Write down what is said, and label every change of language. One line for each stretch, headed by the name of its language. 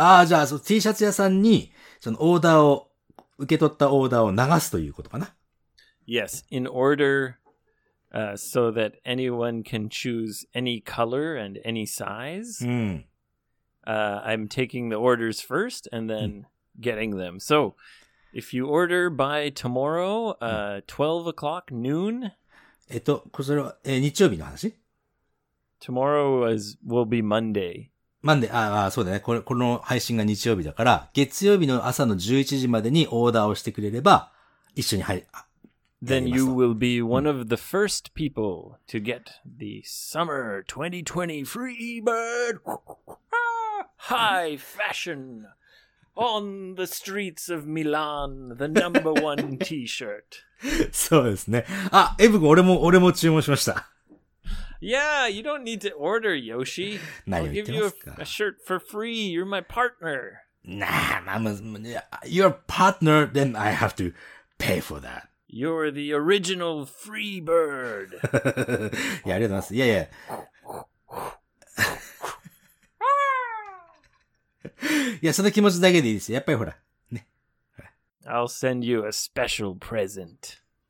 Japanese: ああ、じゃあ、T シャツ屋さんに、そのオーダーを、受け取ったオーダーを流すということかな。
English: Yes, in order, so that anyone can choose any color and any size,、
Japanese: うん
English: I'm taking the orders first and then、うん、getting them. So, if you order by tomorrow,、12 o'clock noon.
Japanese: それは、日曜日の話？
English: Tomorrow will be Monday.
Japanese: Monday, そうだね。この配信が日曜日だから、月曜日の朝の11時までにオーダーをしてくれれば、一緒に
English: Then you will be one of the first people to get the summer 2020 free bird high fashion on the streets of Milan, the number one t-shirt.
Japanese: そうですね。あ、エブ君、俺も注文しました。
English: Yeah, you don't need to order, Yoshi. I'll give you a shirt for free. You're my partner. Nah, you're a partner, then I have to pay for that. You're the original free bird.
Japanese: Yeah, ありがとうございます。
English: Yeah, yeah.
Japanese: いや、その気持ちだけでいいですよ。やっぱりほら、ね。
English: I'll send you a special present.